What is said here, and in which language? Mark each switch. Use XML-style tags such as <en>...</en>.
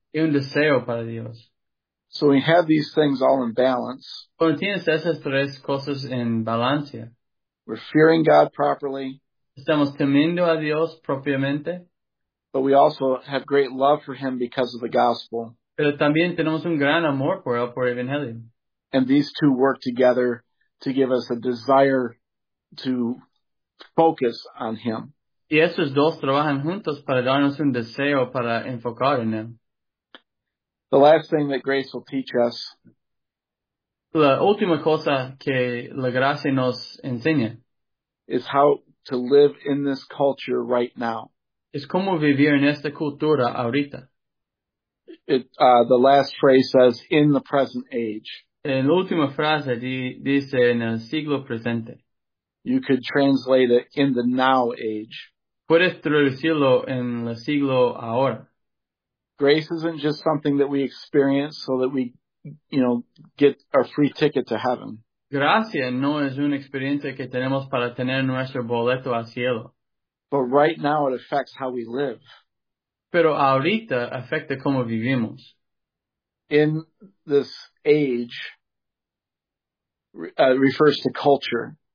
<es>Y un deseo para Dios.</es> <en>So we have these things all in balance.</en> <es>Cuando tienes esas tres cosas en balance.</es> <en>We're fearing God properly.</en> <es>Estamos temiendo a Dios propiamente.</es> <en>But we also have great love for him because of the gospel.</en> <es>Pero también tenemos un gran amor por él, por el Evangelio.</es> <en>And these two work together to give us a desire to focus on him.</en> <es>Y estos dos trabajan juntos para darnos un deseo para enfocar en él.</es> <en>The last thing that grace will teach us.</en> <es>La última cosa que la gracia nos enseña.</es> <en>Is how to live in this culture right now.</en> <es>Es cómo vivir en esta cultura ahorita.</es> <en>The last phrase says, in the present age.</en> <es>En la última frase dice, en el siglo presente.</es> <en>You could translate it, in the now age.</en> <es>Puedes traducirlo en el siglo ahora.</es> <en>Grace isn't just something that we experience so that we, you know, get our free ticket to heaven.</en> <es>Gracia no es una experiencia que tenemos para tener nuestro boleto al cielo.</es> <en>But right now it affects how we live.</en> <es>Pero ahorita afecta cómo vivimos.</es> <en>In this age, refers to culture.</en>